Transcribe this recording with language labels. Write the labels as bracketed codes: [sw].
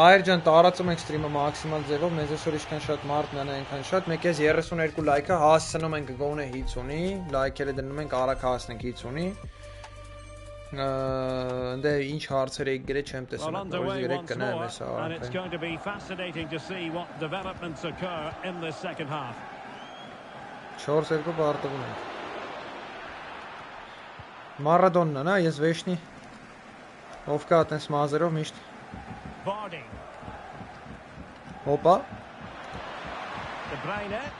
[hy] Հայր ջան, տարածում ենք ստրիմը մաքսիմալ ձևով, մեզ այսօր իշքան շատ մարդ նա այնքան շատ, մեկ ես 32 լայքը հասցնում ենք գոնե 50-ի, լայքերը դնում ենք առաք հասնենք 50-ի։ Դե ինչ հարցեր եք գրել, չեմ տեսել, որ գրեք կնեմ այս առաքը։ [en] And it's going to be fascinating to see what developments occur in the second half. [hy] 4-2 բարտվում ենք։ Մարադոննան, հա, ես վեշնի։ Ով կա այդպես մազերով միշտ։ Հոպա։ [en] The Braine.